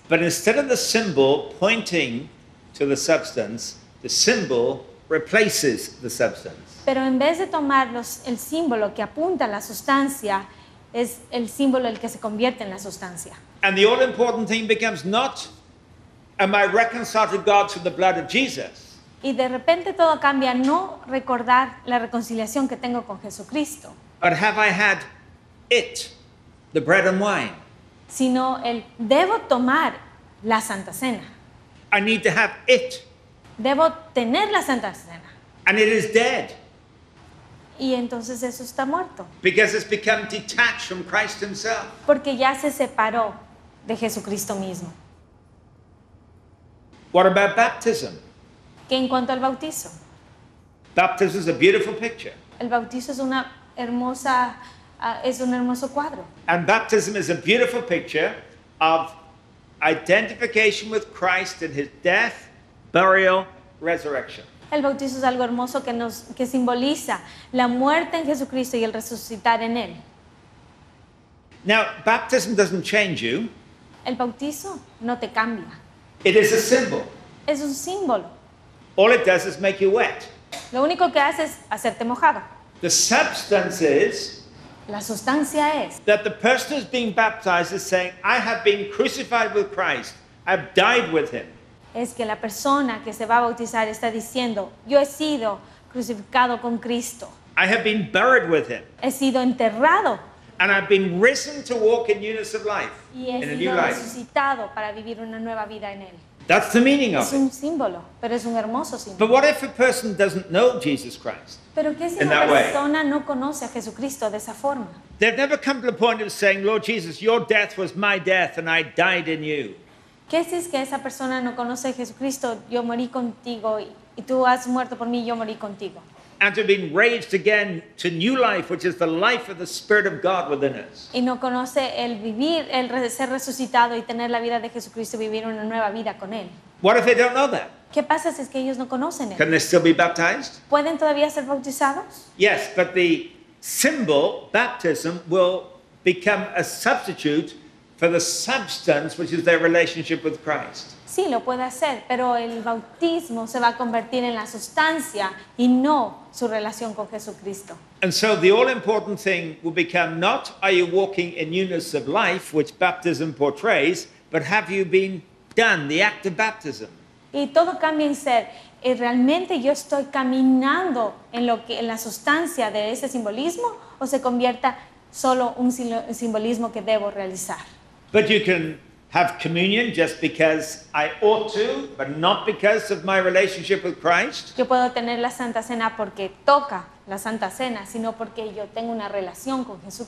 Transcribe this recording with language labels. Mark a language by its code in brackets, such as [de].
[en] But instead of the symbol pointing to the substance, the symbol replaces the substance. [es] Pero en vez de tomar el símbolo que apunta a la sustancia, es el símbolo el que se convierte en la sustancia. [en] And the all important thing becomes not, am I reconciled to God through the blood of Jesus? [es] Y de repente todo cambia, no recordar la reconciliación que tengo con Jesucristo. [en] But have I had it, the bread and wine? [es] Sino el debo tomar la Santa Cena. [en] I need to have it. [es] Debo tener la Santa Cena. [en] And it is dead. [es] Y entonces eso está muerto. [en] Because it's become detached from Christ himself. [es] Porque ya se separó de Jesucristo mismo. [en] What about baptism? [es] ¿Qué en cuanto al bautizo? [en] Baptism is a beautiful picture. [es] El bautizo es una hermosa es un hermoso cuadro. [en] And baptism is a beautiful picture of identification with Christ in his death, burial, resurrection. [es] El bautizo es algo hermoso que simboliza la muerte en Jesucristo y el resucitar en él. [en] Now, baptism doesn't change you. [es] El bautizo no te cambia. [en] It is a symbol. [es] Es un símbolo. [en] All it does is make you wet. [es] Lo único que hace es hacerte mojado. [en] The substance is. [es] La sustancia es. [en] That the person who's being baptized is saying, I have been crucified with Christ. I've died with him. [es] Es que la persona que se va a bautizar está diciendo, yo he sido crucificado con Cristo. [en] I have been buried with him. [es] He sido enterrado. [en] And I've been risen to walk in newness of life. [es] Y he sido resucitado para vivir una nueva vida en él. [en] That's the meaning of it. [es] Es un símbolo, pero es un hermoso símbolo. [en] But what if a person doesn't know Jesus Christ? [es] Pero ¿qué si una persona no conoce a Jesucristo de esa forma? [en] They've never come to the point of saying, Lord Jesus, your death was my death and I died in you. [es] ¿Qué si es que esa persona no conoce a Jesucristo? Yo morí contigo y tú has muerto por mí, yo morí contigo. [en] And to have been raised again to new life, which is the life of the Spirit of God within us. [es] Y no conoce el vivir, el ser resucitado y tener la vida de Jesucristo, vivir una nueva vida con él. [en] What if they don't know that? [es] ¿Qué pasa si es que ellos no conocen él? [en] Can they still be baptized? [es] ¿Pueden todavía ser bautizados? [en] Yes, but the symbol, baptism, will become a substitute for the substance, which is their relationship with Christ. [es] Sí, lo puede hacer, pero el bautismo se va a convertir en la sustancia y no su relación con Jesucristo. [en] And so the all important thing will become not are you walking in newness of life, which baptism portrays, but have you been done the act of baptism? [es] Y todo cambia en ser, ¿y realmente yo estoy caminando en la sustancia de ese simbolismo o se convierta solo un simbolismo que debo realizar? [en] But you can have communion just because I ought to, but not because of my relationship with Christ. [es] Yo puedo tener la Santa Cena porque toca la Santa Cena, sino porque yo tengo una relación con Jesús.